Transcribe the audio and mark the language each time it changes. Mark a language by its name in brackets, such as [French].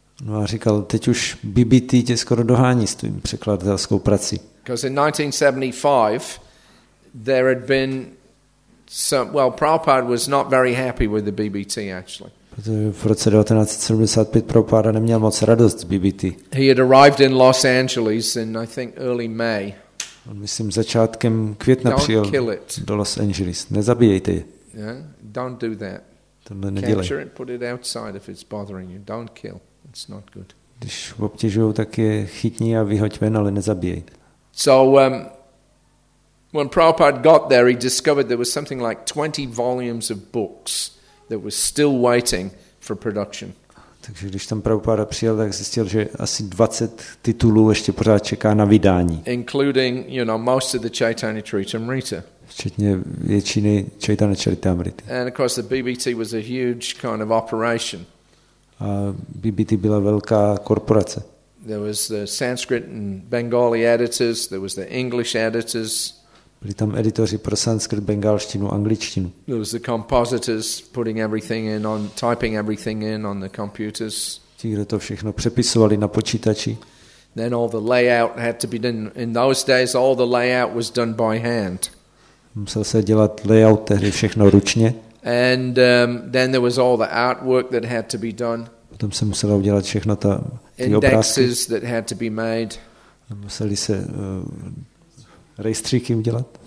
[Czech] No a říkal, teď už BBT tě skoro dohání s tvým překladatelskou prací. [English] Because in 1975 there had been some, well, Prabhupada was not very happy with the BBT actually. [Czech] V roce 1975 Prabhupada neměl moc radost z BBT. [English] He had arrived in Los Angeles in I think early May. [Czech] On myslím začátkem května přijel do Los Angeles. Nezabíjejte je. [English] Yeah, don't do that. [Czech] Tohle nedělej. [English] Capture it, put it outside if it's bothering you. Don't kill. It's not good. [Czech] Když obtěžují, tak je chytni a vyhoď ven, ale nezabíjej. [English] So when Prabhupada got there, he discovered there was something like 20 volumes of books that was still waiting for production. [Czech] Takže když tam Prabhupada přijel, tak zjistil, že asi 20 titulů ještě pořád čeká na vydání. [English] Including, you know, most of the Chaitanya Charitamrita. [Czech] Včetně většiny Chaitanya Charitamrity. [English] And of course the BBT was a huge kind of operation. [Czech] A BBT byla velká korporace. [English] There was the Sanskrit and Bengali editors, there was the English editors. [Czech] Byli tam editoři pro sanskrit, bengalštinu, angličtinu. [English] There was the compositors putting everything in on, typing everything in on the computers. [Czech] Ti, kdo to všechno přepisovali na počítači. [English] Then all the layout had to be done. In those days all the layout was done by hand. [Czech] Musel se dělat layout tehdy všechno ručně. [English] And then there was all the artwork that had to be done. [Czech] Potom se muselo udělat všechno ta ty [English] indexes [Czech] obrázky. [English] That had to be made. [Czech] Museli se rejstříky udělat.